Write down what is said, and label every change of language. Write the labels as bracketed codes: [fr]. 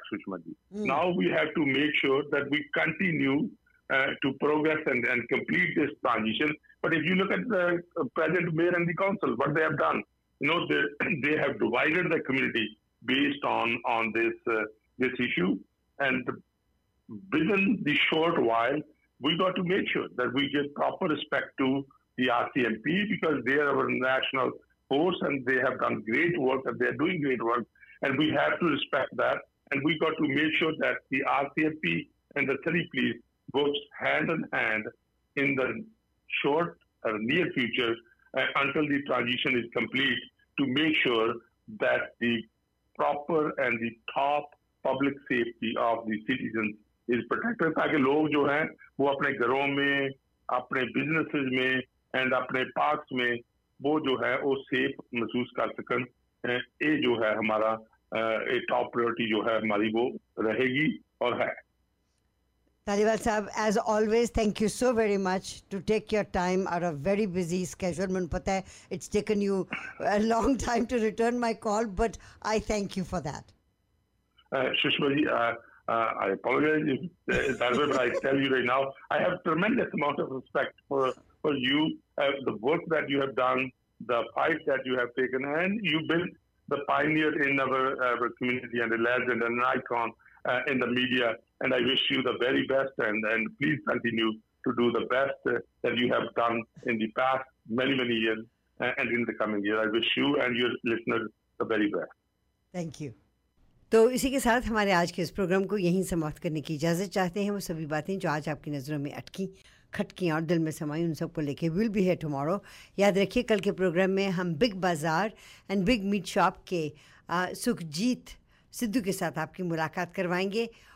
[en] Sushma ji, now we have to make sure that we continue to progress and complete this transition. But if you look at the present mayor and the council, what they have done, you know, they have divided the community based on this this issue. And within the short while we got to make sure that we give proper respect to the RCMP, because they are our national force and they have done great work and they are doing great work, and we have to respect that. And we got to make sure that the RCMP and the city police works hand in hand in the short or near future until the transition is complete, to make sure that the proper and the top public safety of the citizens is protected, [hi] ताकि लोग जो हैं वो अपने घरों में, अपने businesses में and अपने parks में वो जो है वो safe महसूस कर सकन. ये जो है हमारा ये top priority जो है हमारी वो रहेगी और है. [en] Dhaliwal Sahib, as always, thank you so very much to take your time out of very busy schedule. [hi] Man pata hai, [en] it's taken you a long time to return my call, but I thank you for that. Shushma ji, I apologize if that's what I tell you right now. I have tremendous amount of respect for you, the work that you have done, the fight that you have taken, and you've been the pioneer in our community and a legend and an icon in the media. And I wish you the very best, and please continue to do the best that you have done in the past many, many years and in the coming year. I wish you and your listeners the very best. Thank you. [hi] तो इसी के साथ हमारे आज के इस programme को यहीं समाप्त करने की इजाज़त चाहते हैं. वो सभी बातें जो आज आपकी नज़रों में अटकी, खटकी और दिल में समाई, उन सबको लेके [en] Will be here tomorrow. [hi] याद रखिए, कल के प्रोग्राम में हम बिग बाज़ार एंड बिग मीट शॉप के सुखजीत सिद्धू के साथ आपकी मुलाकात करवाएंगे.